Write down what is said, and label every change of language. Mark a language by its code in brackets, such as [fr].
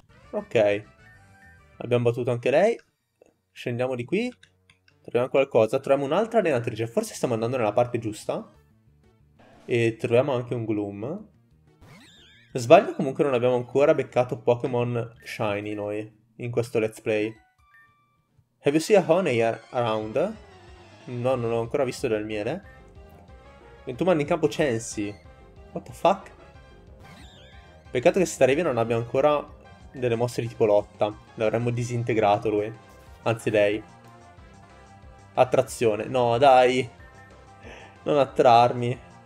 [it] Ok. Abbiamo battuto anche lei. Scendiamo di qui. Troviamo qualcosa. Troviamo un'altra allenatrice. Forse stiamo andando nella parte giusta. E troviamo anche un Gloom. Sbaglio, comunque non abbiamo ancora beccato Pokémon Shiny noi in questo Let's Play. [en] Have you seen a Honeyer around? [it] No, non ho ancora visto del miele. E tu mandi in campo Chansey. [en] What the fuck? [it] Peccato che Staravia non abbia ancora delle mosse di tipo lotta. L'avremmo disintegrato lui. Anzi, lei. Attrazione. No, dai. Non attrarmi.